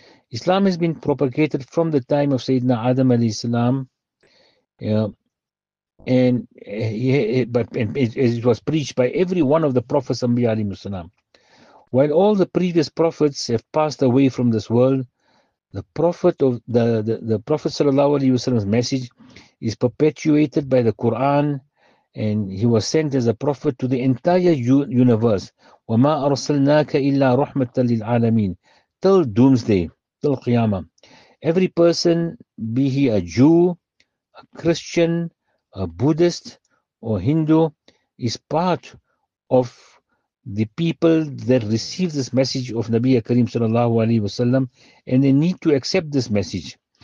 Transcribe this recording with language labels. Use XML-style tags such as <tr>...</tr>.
<en>Islam has been propagated from the time of Sayyidina Adam alayhi salam, and it was preached by every one of the prophets, Anbiya alayhi salam. While all the previous prophets have passed away from this world, the prophet sallallahu alaihi wasallam's message is perpetuated by the Quran, and he was sent as a prophet to the entire universe.</en> <ar>وَمَا أَرْسَلْنَاكَ إِلَّا رَحْمَةً لِلْعَالَمِينَ</ar> <en>till doomsday, till Qiyamah. Every person, be he a Jew, a Christian, a Buddhist, or Hindu, is part of the people that receive this message of Nabi Karim sallallahu alayhi wa sallam, and they need to accept this message.</en>